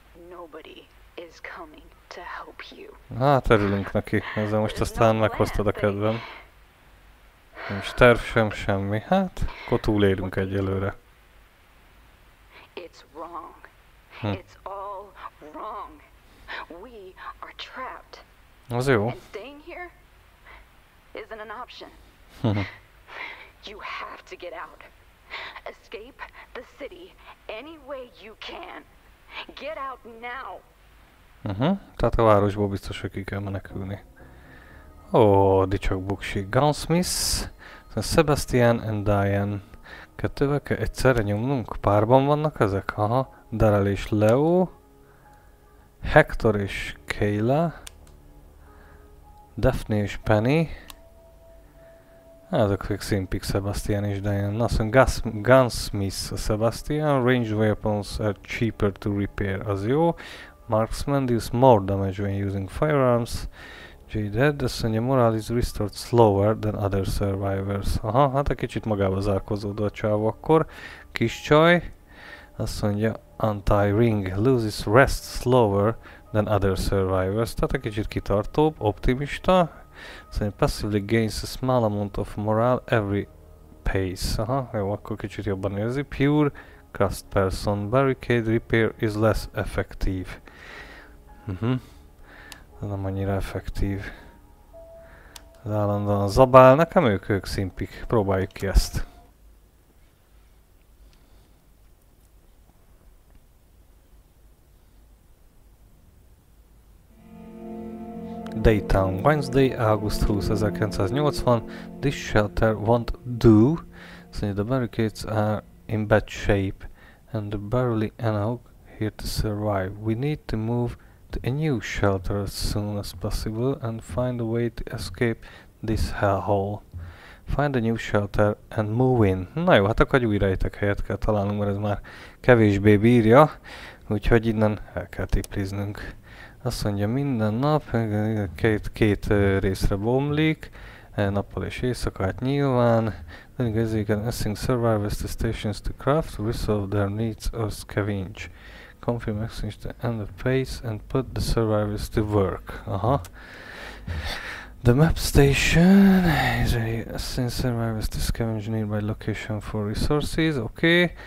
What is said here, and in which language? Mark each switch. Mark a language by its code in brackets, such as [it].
[en] Nobody is coming to help you. [hu] Hát örülünk neki, ezzel most aztán meghoztad a kedvem. Nincs terv, sem semmi. Hát, akkor túlélünk egyelőre. [en] It's wrong. It's all wrong. We are trapped. [hu] Az jó. [en] And staying here isn't an option. You have to get out. Escape the city any way you can. Get out now. [hu] Tehát a városból biztos, hogy ki kell menekülni. Ó, dicsak buksi. [en] Gunsmith. Sebastian and Diane. [hu] Kettővel kell egyszerre nyomnunk? Párban vannak ezek? Aha. Daryl és Leo. Hector és Kayla. Daphne és Penny. Ezek még szimpik, Sebastian és Diane. Na, szóval Gunsmith a Sebastian. [en] Ranged weapons are cheaper to repair. [hu] Az jó. [en] Marksman deals more damage when using firearms. Jaded, [hu] azt mondja, [en] morale is restored slower than other survivors. [hu] Aha, hát egy kicsit magába zárkozódott a csávó akkor. Kis csaj, azt mondja, [en] anti-ring, loses rest slower than other survivors. [hu] Tehát egy kicsit kitartóbb, optimista. Azt mondja, [en] passively gains a small amount of morale every pace. [hu] Aha, jó, akkor kicsit jobban érzi. [en] Pure craft person, barricade repair is less effective. [hu] Nem annyira effektív. Az állandóan zabál, nekem ők szimpik. Próbáljuk ki ezt. [en] Daytown, Wednesday, August 20, 1980. This shelter won't do. So the barricades are in bad shape. And barely enough here to survive. We need to move a new shelter as soon as possible and find a way to escape this hellhole. Find a new shelter and move in. [hu] Na jó, hát akkor egy új rejtek helyet kell találnunk, mert ez már kevésbé bírja. Úgyhogy innen el kell tipliznünk. Azt mondja, minden nap két részre bomlik. Nappal és éjszaka, hát nyilván. [en] Then you can assign survivors to stations to craft, resolve their needs or scavenge. Confirm exchange to end the phase and put the survivors to work. Aha. The map station is a assign survivors to scavenge nearby location for resources. Okay.